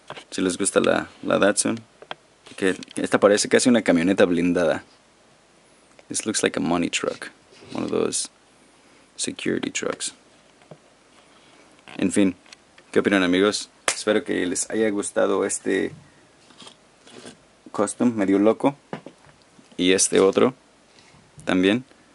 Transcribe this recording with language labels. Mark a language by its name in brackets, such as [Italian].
[Spanish] Si les gusta la Datsun, que esta parece casi una camioneta blindada. [English] This looks like a money truck, one of those security trucks. [Spanish] En fin, ¿qué opinan, amigos? Espero que les haya gustado este custom medio loco y este otro también.